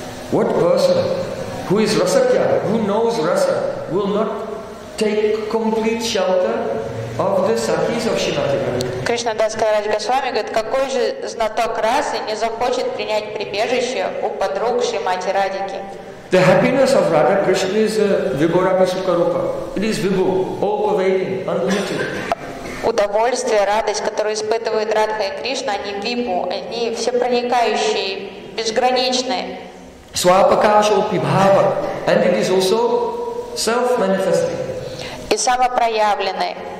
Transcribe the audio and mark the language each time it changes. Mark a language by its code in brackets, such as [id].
[en] What person who is rasakya, who knows rasa, will not take complete shelter of the sakis of Shrimati Radhika? [ru] Кришна Дас Кавирадж Госвами говорит, какой же знаток расы не захочет принять прибежище у подруг Шримати Радики? [en] The happiness of Radha Krishna is Vibhurapa Sukarupa. It is Vibhu, all-pervading, unlimited. [ru] Удовольствие, радость, которую испытывает Радха и Кришна, они Вибу, они всепроникающие, безграничные. [sa] Свапакаша упибхава, [en] and it is also self-manifesting. [ru] И самопроявленный.